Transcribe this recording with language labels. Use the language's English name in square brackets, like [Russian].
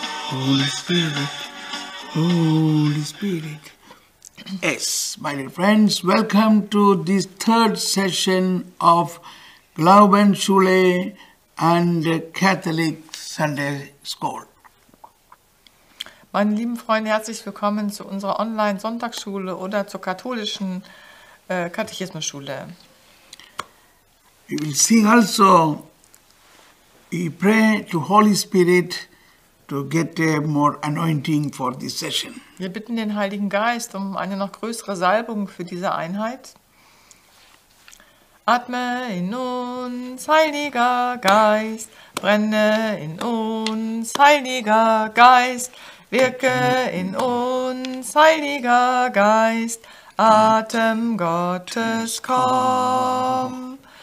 [English] Holy Spirit, Holy Spirit. Yes, my dear friends, welcome to this third session of Glaubensschule and Catholic Sunday School. [German] Meine lieben Freunde, herzlich willkommen zu unserer Online-Sonntagsschule oder zur katholischen Katechismusschule. [English] We will sing also, we pray to Holy Spirit to get more anointing for this session. [German] Wir bitten den Heiligen Geist um eine noch größere Salbung für diese Einheit. Atme in uns, Heiliger Geist, brenne in uns, Heiliger Geist, wirke in uns, Heiliger Geist, Atem Gottes, komm.